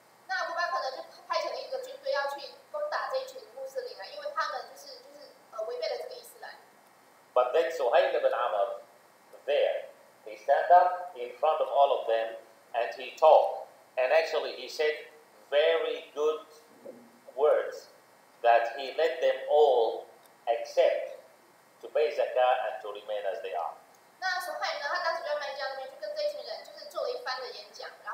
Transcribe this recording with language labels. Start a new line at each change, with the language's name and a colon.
Chinese: 那阿布巴克呢，就派遣了一个军队要去攻打这一群穆斯林啊，因为他们就是违背了这个伊斯兰。
English: But then Suhail ibn Amr, there, he stand up in front of all of them and he talked, and actually he said very good words that he let them all accept to pay zakah and to remain as they are.
Chinese: 那Suhail呢，他当时就在麦加那边去跟这一群人就是做了一番的演讲。